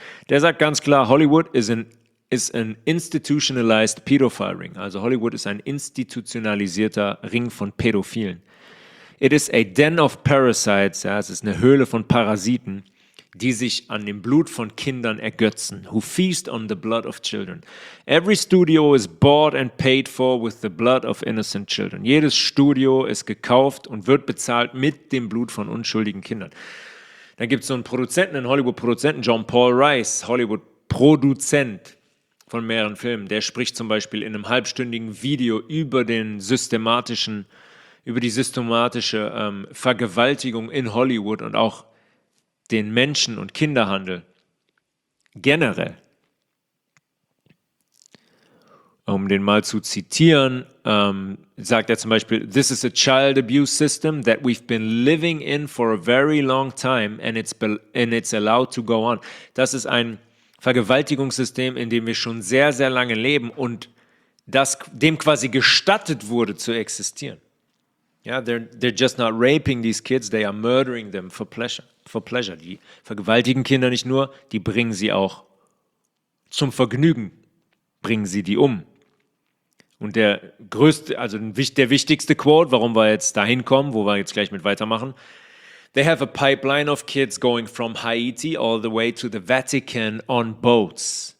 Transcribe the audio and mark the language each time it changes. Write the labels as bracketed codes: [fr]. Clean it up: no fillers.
[de] Der sagt ganz klar, Hollywood ist ein [en] institutionalized pedophile ring. [de] Also Hollywood ist ein institutionalisierter Ring von Pädophilen. [en] It is a den of parasites, [de] ja, es ist eine Höhle von Parasiten, die sich an dem Blut von Kindern ergötzen, [en] who feast on the blood of children. Every studio is bought and paid for with the blood of innocent children. [de] Jedes Studio ist gekauft und wird bezahlt mit dem Blut von unschuldigen Kindern. Dann gibt es so einen Produzenten, einen Hollywood-Produzenten, John Paul Rice, Hollywood-Produzent von mehreren Filmen, der spricht zum Beispiel in einem halbstündigen Video über die systematische Vergewaltigung in Hollywood und auch den Menschen- und Kinderhandel generell. Um den mal zu zitieren, sagt er zum Beispiel, [en] this is a child abuse system that we've been living in for a very long time and it's allowed to go on. [de] Das ist ein Vergewaltigungssystem, in dem wir schon sehr, sehr lange leben und das dem quasi gestattet wurde zu existieren. [en] Ja, they're just not raping these kids, they are murdering them for pleasure. [de] Die vergewaltigen Kinder nicht nur, die bringen sie auch zum Vergnügen, bringen sie die um. Und der wichtigste Quote, warum wir jetzt dahin kommen, wo wir jetzt gleich mit weitermachen: [en] They have a pipeline of kids going from Haiti all the way to the Vatican on boats.